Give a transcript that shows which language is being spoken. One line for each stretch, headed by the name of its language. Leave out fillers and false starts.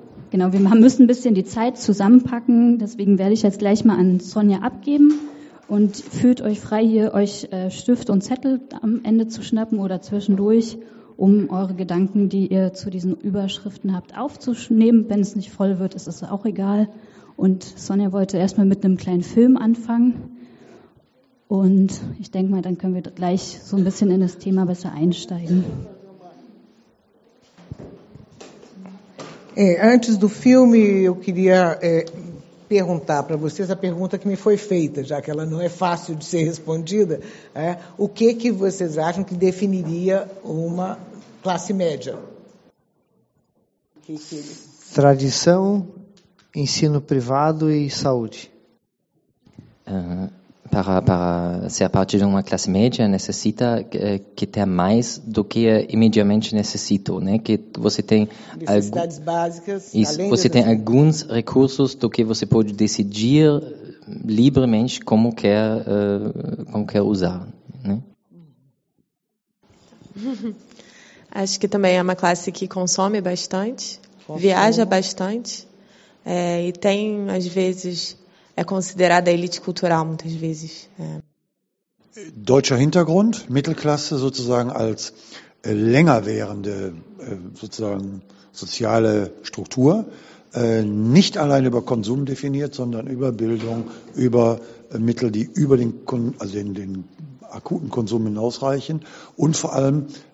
German: Genau, wir müssen ein bisschen die Zeit zusammenpacken, deswegen werde ich jetzt gleich mal an Sonja abgeben und fühlt euch frei, hier euch Stift und Zettel am Ende zu schnappen oder zwischendurch, um eure Gedanken, die ihr zu diesen Überschriften habt, aufzunehmen. Wenn es nicht voll wird, ist es auch egal. Und Sonja wollte erstmal mit einem kleinen Film anfangen und ich denke mal, dann können wir gleich so ein bisschen in das Thema besser einsteigen.
Portuguese: Antes do filme, eu queria perguntar para vocês a pergunta que me foi feita, já que ela não é fácil de ser respondida. O que que vocês acham que definiria uma classe média? Tradição, ensino privado e saúde. Para ser parte de uma classe média, necessita que tenha mais do que imediatamente necessito, né? Que você tem necessidades básicas, isso, além você tem alguns recursos do que você pode decidir livremente como quer usar, né? Acho que também é uma classe que consome bastante, viaja bastante, e tem, às vezes, é considerada elite cultural muitas vezes.
German: Deutscher Hintergrund, Mittelklasse sozusagen als länger währende sozusagen soziale Struktur, nicht allein über Konsum definiert, sondern über Bildung, über Mittel, die über den akuten Konsum hinausreichen und vor allem